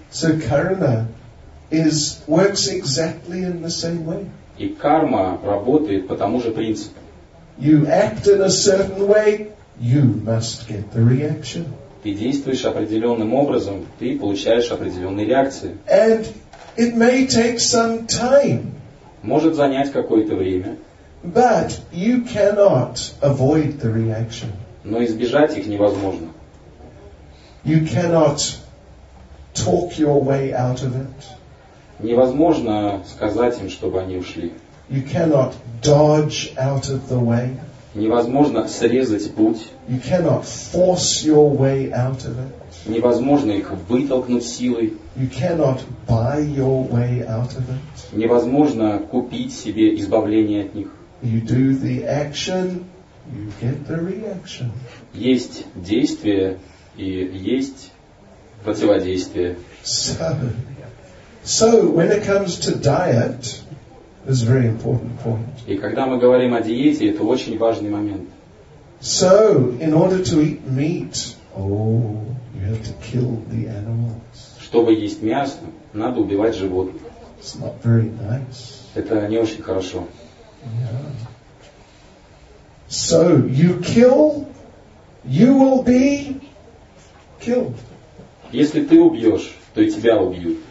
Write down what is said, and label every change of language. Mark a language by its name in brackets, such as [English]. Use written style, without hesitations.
[English] So karma is works exactly in the same way. [Russian] И карма работает по тому же принципу. [English] You act in a certain way, you must get the reaction. [Russian] Ты действуешь определенным образом, ты получаешь определенные реакции. [English] And it may take some time. [Russian] Может занять какое-то время. [English] But you cannot avoid the reaction. [Russian] Но избежать их невозможно. [English] You cannot talk your way out of it. [Russian] Невозможно сказать им, чтобы они ушли. [English] You cannot dodge out of the way. [Russian] Невозможно срезать путь. [English] You cannot force your way out of it. [Russian] Невозможно их вытолкнуть силой. [English] You cannot buy your way out of it. [Russian] Невозможно купить себе избавление от них. [English] You do the action, you get the reaction. [Russian] Есть действие и есть противодействие. [English] So when it comes to diet, this is a very important point. [Russian] И когда мы говорим о диете, это очень важный момент. [English] So, in order to eat meat, you have to kill the animals. [Russian] Чтобы есть мясо, надо убивать животных. [English] It's not very nice. [Russian] Это не очень хорошо. [English] So you kill, you will be killed. [Russian] Если ты убьешь, то и тебя убьют.